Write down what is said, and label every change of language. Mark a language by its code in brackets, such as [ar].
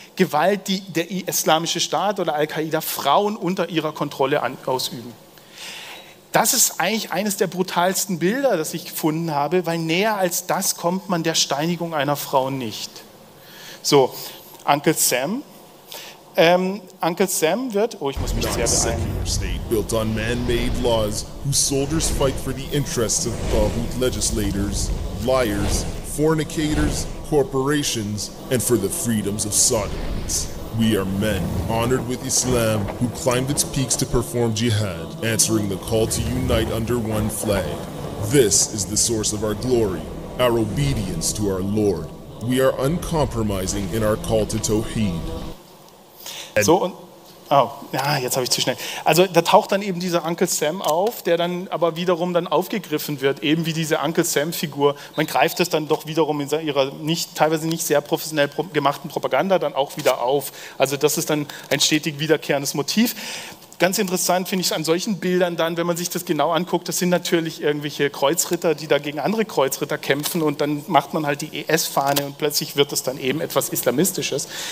[de] Gewalt, die der Islamische Staat oder Al-Qaida Frauen unter ihrer Kontrolle ausüben. Das ist eigentlich eines der brutalsten Bilder, das ich gefunden habe, weil näher als das kommt man der Steinigung einer Frau nicht. So, Uncle Sam. Uncle Sam wird, oh, ich muss mich sehr beeilen. [en] Not a secular state built on man-made laws, whose soldiers fight for the interests of Tawhut legislators, liars, fornicators, corporations, and for the freedoms of sodomites. We are men honored with Islam who climbed its peaks to perform jihad, answering the call to unite under one flag. This is the source of our glory, our obedience to our Lord. We are uncompromising in our call to Tawhid. [de] So und, oh, ja, jetzt habe ich zu schnell. Also da taucht dann eben dieser Uncle Sam auf, der dann aber wiederum dann aufgegriffen wird, eben wie diese Uncle Sam-Figur. Man greift das dann doch wiederum in ihrer nicht, teilweise nicht sehr professionell gemachten Propaganda dann auch wieder auf. Also das ist dann ein stetig wiederkehrendes Motiv. Ganz interessant finde ich es an solchen Bildern dann, wenn man sich das genau anguckt, das sind natürlich irgendwelche Kreuzritter, die da gegen andere Kreuzritter kämpfen und dann macht man halt die ES-Fahne und plötzlich wird das dann eben etwas Islamistisches.